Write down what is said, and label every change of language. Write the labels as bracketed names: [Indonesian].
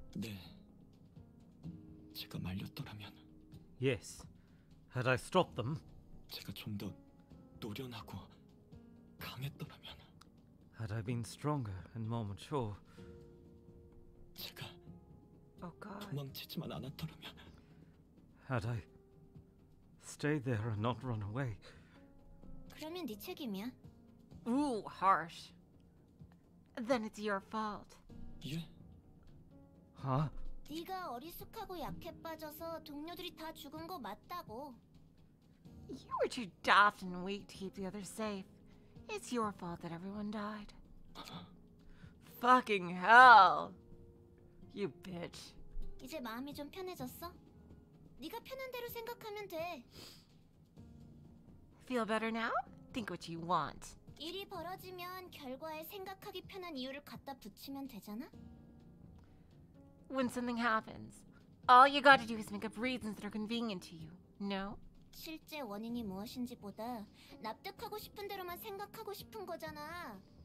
[Korean] 네. 제가 말렸더라면. [English] Yes. Had I stopped them? [Korean] 제가 좀 더 노련하고 강했더라면. [English] Had I been stronger and more mature? [Korean] 제가 [English] Oh God. [Korean] 도망치지만 않았더라면. [English] Had I stayed there and not run away? [Korean] 그러면 네 책임이야. [English] Ooh, harsh. Then it's your fault. [Korean] 예? 하? 네가 어리숙하고 약해 빠져서 동료들이 다 죽은 거 맞다고. [English] You were too daft and weak to keep the others safe. It's your fault that everyone died. Fucking hell. You bitch. [Korean] 이제 마음이 좀 편해졌어? 네가 편한 대로 생각하면 돼. [English] Feel better now? Think what you want. [Korean] 일이 벌어지면 결과에 생각하기 편한 이유를 갖다 붙이면 되잖아? [English] When something happens, all you gotta do is make up reasons that are convenient to you, no? [Korean] 실제 원인이 무엇인지 보다 납득하고 싶은 대로만 생각하고 싶은 거잖아.